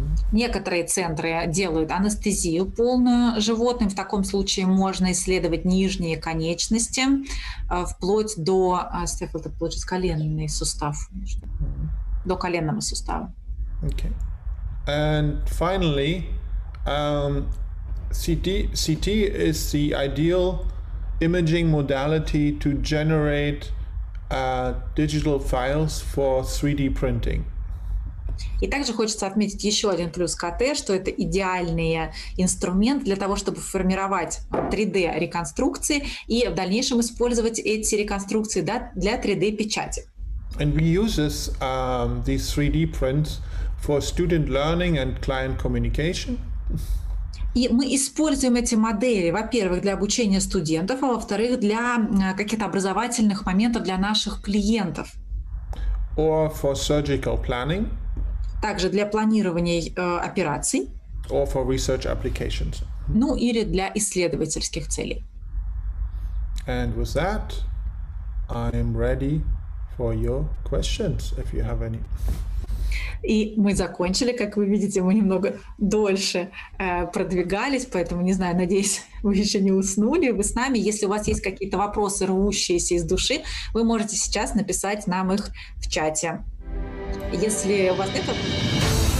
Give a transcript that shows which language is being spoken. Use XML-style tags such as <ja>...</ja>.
<ru>Некоторые центры делают анестезию полную животным. В таком случае можно исследовать нижние конечности, вплоть до стифл, это получается коленный сустав, до коленного сустава.</ru> <en>Okay. And finally, CT is the ideal imaging modality to generate digital files for 3D printing.</en> <ru>И также хочется отметить еще один плюс КТ, что это идеальный инструмент для того, чтобы формировать 3D-реконструкции и в дальнейшем использовать эти реконструкции для 3D-печати.</ru> <en>And we use this, these 3D prints for student learning and client communication.</en> <ru>И мы используем эти модели, во-первых, для обучения студентов, а во-вторых, для каких-то образовательных моментов для наших клиентов.</ru> <en>Or for surgical planning.</en> <ru>Также для планирования операций.</ru> <en>Or for research applications.</en> <ru>Ну или для исследовательских целей.</ru> <en>And with that, I'm ready for your questions, if you have any.</en> <ru>И мы закончили, как вы видите, мы немного дольше продвигались, поэтому, не знаю, надеюсь, вы еще не уснули, вы с нами. Если у вас есть какие-то вопросы, рвущиеся из души, вы можете сейчас написать нам их в чате. Если у вас нет вопросов...</ru>